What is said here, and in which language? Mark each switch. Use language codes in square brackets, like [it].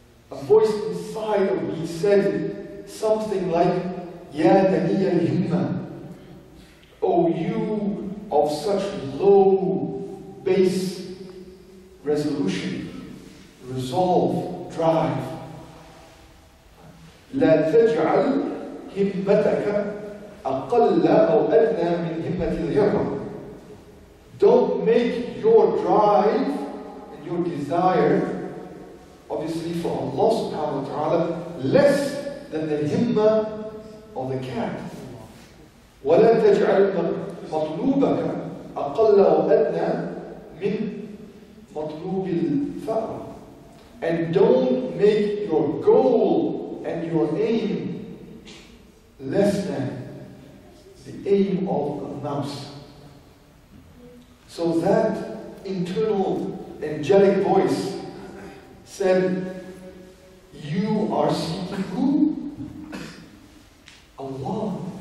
[en] A voice inside of me said something like, Ya Bani al-Himma, O you of such low, base resolution, resolve, drive, [ar] لا تجعل همتك أقل أو أدنى من همة الغيرة. [en] Don't make your drive and your desire, obviously for Allah subhanahu wa ta'ala, less than the himma of the cat. [ar] ولا تجعل مطلوبك أقل أو أدنى من مطلوب الفأر. [en] And don't make your goal and your aim less than the aim of a mouse. So that internal angelic voice said, you are seeking who? Allah.